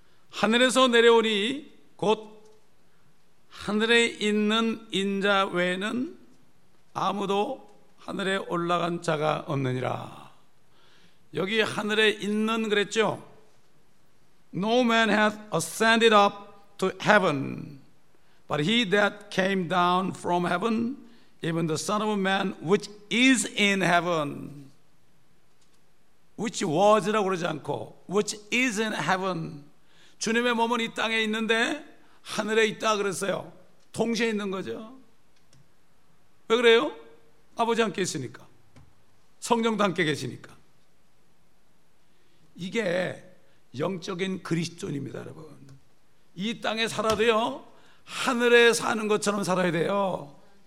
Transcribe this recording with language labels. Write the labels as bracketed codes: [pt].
[ko] 하늘에서 내려오니 곧 하늘에 있는 인자 외에는 아무도 하늘에 올라간 자가 없느니라. 여기 하늘에 있는 그랬죠? [en] No man hath ascended up to heaven, but he that came down from heaven, even the Son of Man which is in heaven. Which was [ko] 라고 그러지 않고 [en] which is in heaven. [ko] 주님의 몸은 이 땅에 있는데 하늘에 있다 그랬어요. 동시에 있는 거죠. 왜 그래요? 아버지 함께 있으니까, 성령도 함께 계시니까. 이게 영적인 그리스도인입니다, 여러분. 이 땅에 살아도요 하늘에 사는 것처럼 살아야 돼요.